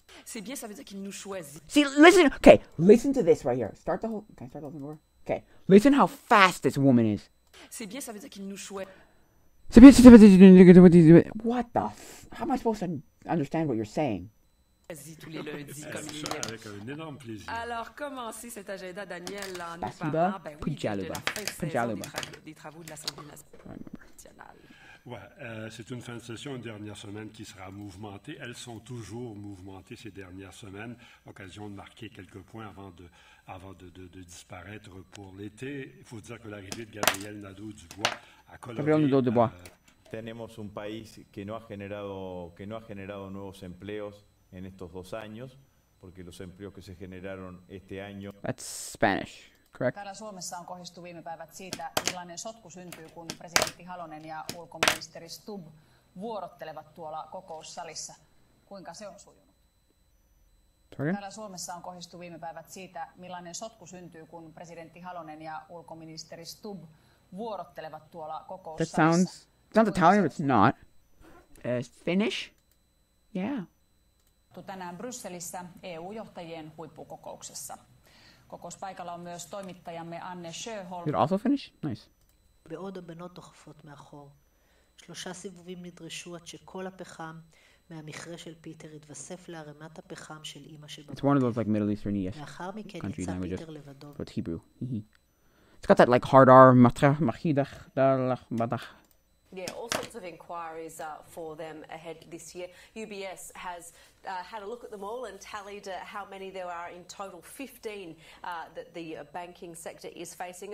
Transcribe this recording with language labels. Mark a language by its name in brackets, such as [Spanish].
[French] C'est bien, ça veut dire qu'il nous choisit. [English] See, listen. Okay, listen to this right here. Start the whole. Can I start the whole thing over? Okay. Listen how fast this woman is. [French] C'est bien, ça veut dire qu'il nous choisit. C'est bien, ça veut dire qu'il nous choisit. [English] What the f? How am I supposed to understand what you're saying? [French] Tous les lundis, comme ça, avec un énorme plaisir. Alors, commencez cet agenda, Daniel, en nous parlant. Ben oui, de la fin de saison des travaux de l'Assemblée nationale. Ouais, c'est une fin de session, une dernière semaine qui sera mouvementée. Elles sont toujours mouvementées ces dernières semaines. Occasion de marquer quelques points avant de disparaître pour l'été. Il faut dire que l'arrivée de Gabriel Nadeau-Dubois a coloré... Gabriel Nadeau-Dubois. [Spanish] Tenemos un país que no ha generado nuevos empleos en estos dos años, porque los empleos que se generaron este año... [English] That's Spanish. Correct. [Finnish] Täällä Suomessa on kohdistu viime päivät siitä, millainen sotku syntyy, kun presidentti Halonen ja ulkoministeri Stubb vuorottelevat tuolla kokoussalissa. Kuinka se on sujunut? Täällä Suomessa on kohdistu viime päivät siitä, millainen sotku syntyy, kun presidentti Halonen ja ulkoministeri Stubb vuorottelevat tuolla kokoussalissa. [English] That sounds Italian, but it's not. Finnish? Yeah. [Finnish] Tänään Brysselissä EU-johtajien huippukokouksessa. Kokouspaikalla on myös toimittajamme Anne Sjöholm. [English] You're also Finnish? Nice. [Hebrew] בעוד הבנות דוחפות מאחור. שלושה סיבובים נדרשו עד שכל הפחם מהמכרה של פיטר התווסף לערמת הפחם של אמא של בבית. [English] It's one of those like Middle Eastern yes. [Hebrew] לאחר מכן יצא פיטר לבדו. [English] But Hebrew. It's got that like hard R, matra, machidach, dalach, badach. Yeah, all sorts of inquiries for them ahead this year. UBS has had a look at them all and tallied how many there are in total, 15 that the banking sector is facing.